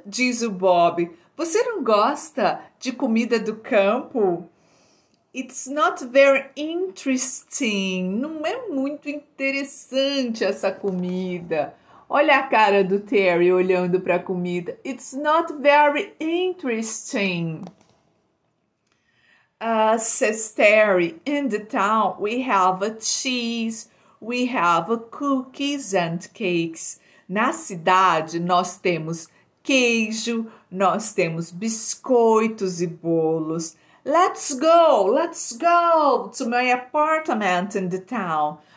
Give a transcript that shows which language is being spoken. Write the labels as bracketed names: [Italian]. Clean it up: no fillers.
[Portuguese] Diz o Bob. Você não gosta de comida do campo? [English] It's not very interesting. [Portuguese] Não é muito interessante essa comida. Olha a cara do Terry olhando para a comida. [English] It's not very interesting. Says Terry, in the town we have a cheese, we have a cookies and cakes. [Portuguese] Na cidade nós temos queijo, nós temos biscoitos e bolos. [English] Let's go to my apartment in the town.